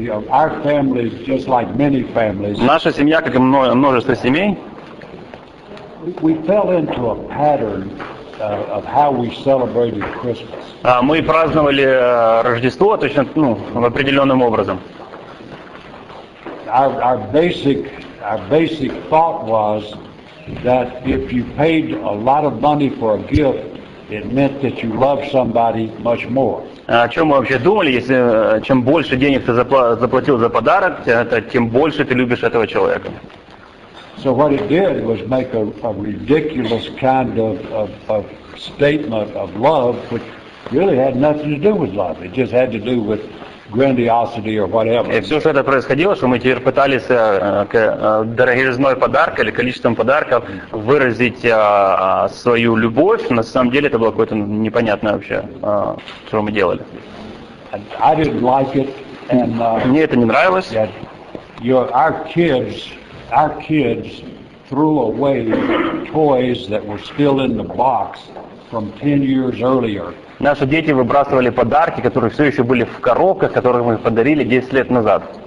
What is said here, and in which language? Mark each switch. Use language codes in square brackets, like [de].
[en] Our family, just like many families. [ru] Наша семья, как и множество семей. [en] We fell into a pattern of how we celebrated Christmas. [ru] Мы праздновали Рождество точно, ну, определенным образом. [en] Our basic thought was that if you paid a lot of money for a gift, it meant that you loved somebody much more. [ru] О чем мы вообще думали, если чем больше денег ты заплатил за подарок, тем больше ты любишь этого человека. [en] So what it did was make a ridiculous kind of statement of love, which really had nothing to do with love. It just had to do with grandiosity or whatever. [ru] И все, что это происходило, что мы теперь пытались дороговизной подарок или количеством подарков выразить свою любовь, на самом деле это было какое-то непонятное вообще, что мы делали. [en] I didn't like it, and, [ru] мне это не нравилось. [en] Our kids threw away toys that were still in the box from 10 years earlier. [ru] Наши дети выбрасывали подарки, которые все еще были в коробках, которые мы подарили 10 лет назад.